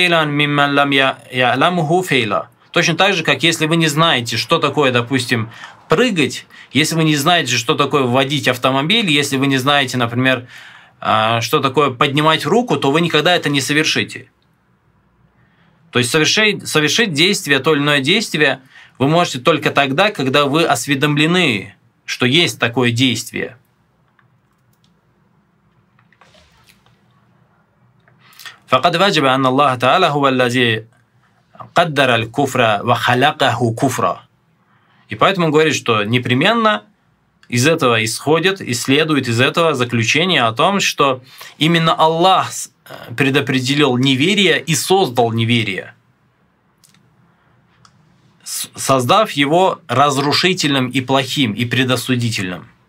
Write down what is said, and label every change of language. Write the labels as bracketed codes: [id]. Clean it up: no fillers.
[ru] Точно так же, как если вы не знаете, что такое, допустим, прыгать, если вы не знаете, что такое водить автомобиль, если вы не знаете, например, что такое поднимать руку, то вы никогда это не совершите. То есть совершить действие, то или иное действие, вы можете только тогда, когда вы осведомлены, что есть такое действие. [ar] فقد وجب أن الله تعالى هو الذي قدر الكفر وخلقه كفرا. [ru] И поэтому он говорит, что непременно из этого исходит и следует из этого заключение о том, что именно Аллах предопределил неверие и создал неверие, создав его разрушительным и плохим и предосудительным.